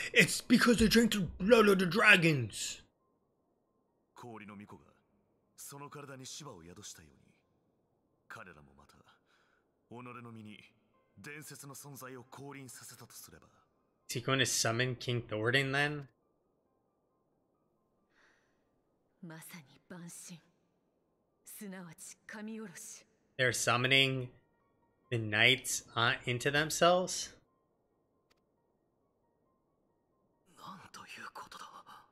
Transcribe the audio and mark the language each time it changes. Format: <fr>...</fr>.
<en>It's because they drank the blood of the dragons.</en> <ja>氷の巫女がその体に芝を宿したように、彼らもまた己の身に伝説の存在を降臨させたとすれば。</ja> <en>Is he going to summon King Thorin then?</en> <ja>まさに蛮神、すなわち神おろし。</ja> <en>They're summoning the knights into themselves?</en> <ja>なんということだ。</ja>